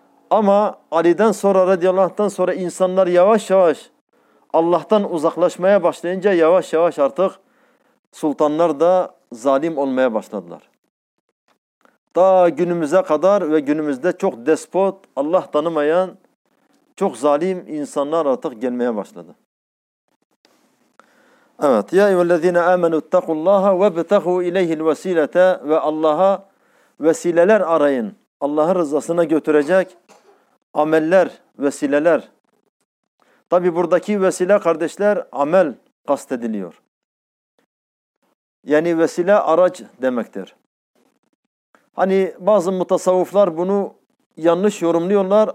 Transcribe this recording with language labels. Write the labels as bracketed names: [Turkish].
[Turkish] Ama Ali'den sonra radiyallahu anh'tan sonra insanlar yavaş yavaş Allah'tan uzaklaşmaya başlayınca yavaş yavaş artık sultanlar da zalim olmaya başladılar. Ta günümüze kadar ve günümüzde çok despot, Allah tanımayan çok zalim insanlar artık gelmeye başladı. Evet. [Arabic] يَا اِوَ الَّذ۪ينَ آمَنُوا اتَّقُوا اللّٰهَ وَبْتَخُوا اِلَيْهِ الْوَس۪يلَةَ [Turkish] Ve Allah'a vesileler arayın. Allah'ın rızasına götürecek ameller, vesileler. Tabi buradaki vesile kardeşler amel kastediliyor. Yani vesile araç demektir. Hani bazı mutasavvıflar bunu yanlış yorumluyorlar.